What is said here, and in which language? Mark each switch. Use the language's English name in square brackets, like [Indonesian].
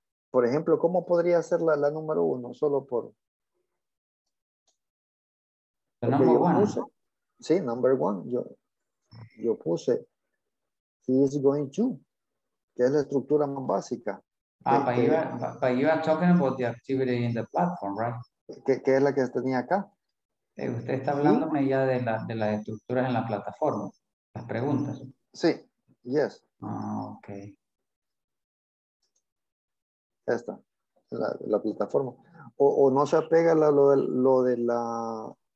[Spanish] Por ejemplo, ¿cómo podría ser la número uno? Solo por... [English] The number one. [Spanish] Puse. Sí, [English] number one. [Spanish] Yo puse, [English] he is going to, [Spanish] que es la estructura más básica. [English] Ah, but you are talking about the activity in the platform, right? [Spanish] ¿Qué es la que tenía acá? Usted está hablándome ya de las estructuras en la plataforma, las preguntas. Sí, yes. Ah, ok. Esta, la plataforma. O no se apega a lo de la